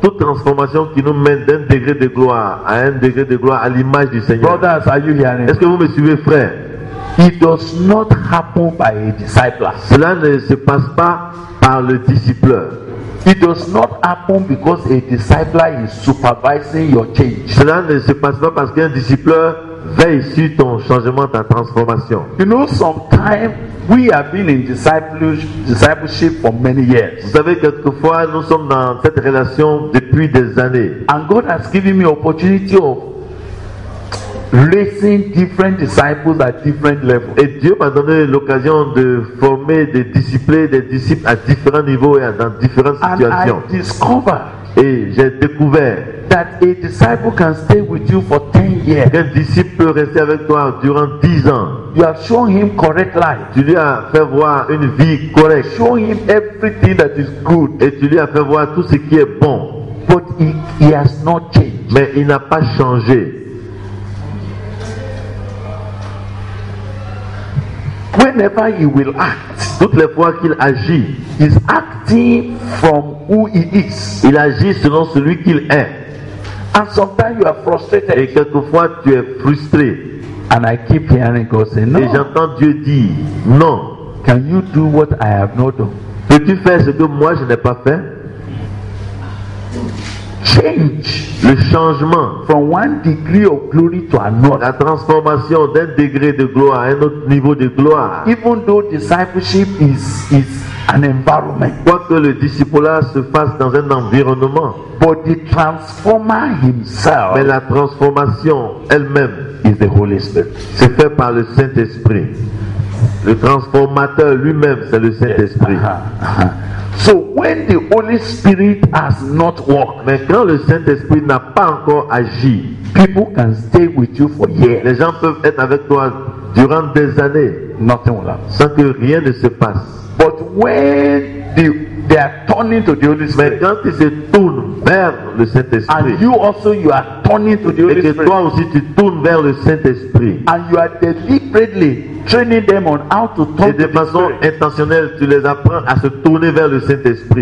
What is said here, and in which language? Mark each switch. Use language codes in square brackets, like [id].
[fr] Toute transformation qui nous mène d'un degré de gloire à un degré de gloire à l'image du Seigneur. [en] Brothers, are you hearing? [fr] Est-ce que vous me suivez, frère? [en] It does not happen by a disciple. [fr] Cela ne se passe pas par le disciple. [en] It does not happen because a disciple is supervising your change. [fr] Cela ne se passe pas parce qu'un disciple veille sur ton changement, ta transformation. [en] You know, sometimes we have been in discipleship for many years. [fr] Vous savez, quelquefois nous sommes dans cette relation depuis des années. [en] And God has given me opportunity of raising different disciples at different levels. [fr] Et Dieu m'a donné l'occasion de former, de discipler des disciples à différents niveaux et dans différentes situations. [en] And I discovered. [fr] Et j'ai découvert [en] that a disciple can stay with you for 10 years. [fr] Qu'un disciple peut rester avec toi durant 10 ans. [en] You have shown him correct life. [fr] Tu lui as fait voir une vie correcte. [en] Show him everything that is good. [fr] Et tu lui as fait voir tout ce qui est bon. [en] But he has not changed. [fr] Mais il n'a pas changé. [en] Whenever he will act, [fr] toutes les fois qu'il agit, [en] he's acting from who he is. [fr] Il agit selon celui qu'il est. [en] And sometimes you are frustrated. [fr] Et quelquefois tu es frustré. [en] And I keep hearing God say, no. [fr] Et j'entends Dieu dire, non. [en] Can you do what I have not done? [fr] Peux-tu faire ce que moi je n'ai pas fait? [en] Change. [fr] Le changement. [en] From one degree of glory to another. [fr] La transformation d'un degré de gloire à un autre niveau de gloire. [en] Even though discipleship is an environment. [fr] Quoique le discipulat se fasse dans un environnement. [en] But the transformer himself. [fr] Mais la transformation elle-même. [en] Is the Holy Spirit. [fr] C'est fait par le Saint-Esprit. Le transformateur lui-même, c'est le Saint-Esprit. [en] Yes. So when the Holy Spirit has not worked, [fr] mais quand le Saint-Esprit n'a pas encore agi, [en] people can stay with you for years. [fr] Les gens peuvent être avec toi durant des années, [en] nothing will happen, [fr] sans que rien ne se passe. [en] But when they are turning to the Holy Spirit, [fr] mais quand ils se tournent vers le Saint-Esprit, [en] and you are turning to the Holy Spirit, [fr] et que toi aussi tu tournes vers le Saint-Esprit, [en] and you are deliberately training them on how to talk. [fr] Et de façon intentionnelle, tu les apprends à se tourner vers le Saint-Esprit.